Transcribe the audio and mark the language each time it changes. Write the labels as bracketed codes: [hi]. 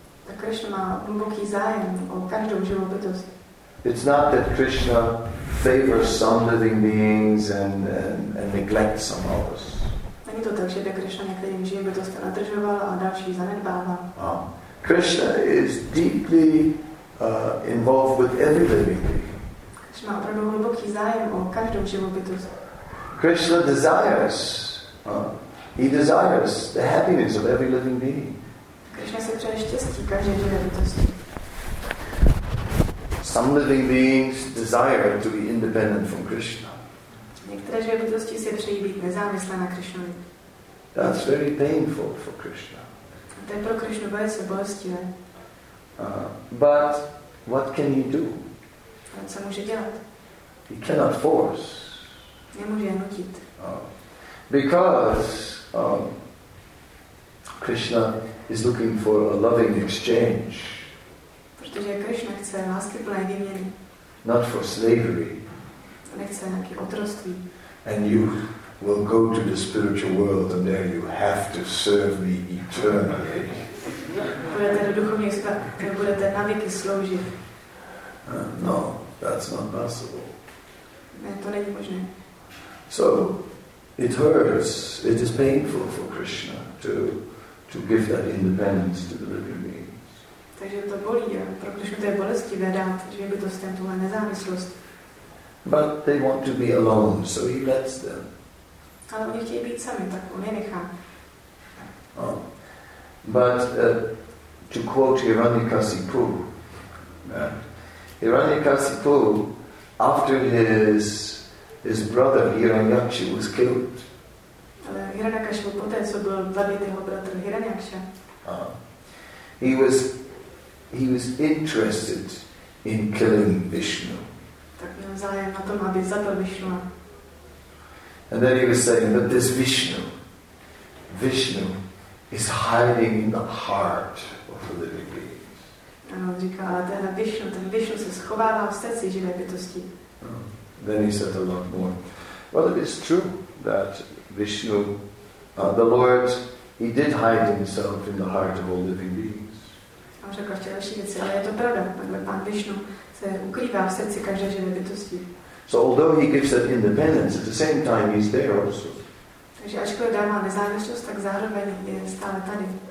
[cs] A Krishna má hluboký zájem o každou živou bytost. [en] It's not that Krishna favors some living beings and neglects some others. [cs] Není to tak, že by Krishna některým živým bytostem nadržoval a další zanedbával. [en] Krishna is deeply involved with every living being. [cs] Krishna má opravdu hluboký zájem o každou živou bytost. [en] Krishna desires, he desires the happiness of every living being. [cs] Krishna se přeje štěstí každé živé bytosti. [en] Some living beings desire to be independent from Krishna. [cs] Některé živé bytosti se přejí být nezávislé na Krishnovi. [en] That's very painful for Krishna. [cs] To je pro Krishnu velice bolestivé. [en] But what can he do? [cs] A co může dělat? [en] He cannot force. [cs] Nemůže je nutit. [en] Because Krishna is looking for a loving exchange. [cs] Protože Krishna chce láskyplné výměny. [en] Not for slavery. [cs] Nechce nějaké otroství. [en] And you will go to the spiritual world and there you have to serve me eternally. [cs] Budete do duchovní svět, budete na věky sloužit. [en] No, that's not possible. [cs] Ne, to není možné. [en] So it hurts, it is painful for Krishna to give that independence to the living beings. [cs] Takže to bolí, pro Krishnu to je bolestivé dát, že by to s tím tuhle nezávislost. [en] But they want to be alone, so he lets them. [cs] Ale oni chtějí být sami, tak on je nechá. [en] But to quote Hiranyakasipu, Hiranyakasipu, after his brother Hiranyakshi was killed. [cs] Hiranyakasipu poté, co byl zabit jeho bratr Hiranyakshi. [en] He was interested in killing Vishnu. [cs] Tak měl zájem na tom, aby zabil Vishnu. [en] And then he was saying, but this Vishnu is hiding in the heart of the living beings. [cs] Ano, říká, ale tenhle Vishnu, ten Vishnu se schovává v srdci živé bytosti. [en] Then he said a lot more. Well, it is true that Vishnu, the Lord, he did hide himself in the heart of all living beings. [cs] A on řekl ještě další věci, ale je to pravda. Pán Vishnu se ukrývá v srdci každé živé bytosti. [en] So although he gives that independence, at the same time he's there also. [cs] Takže ačkoliv dává nezávislost, tak zároveň je stále tady.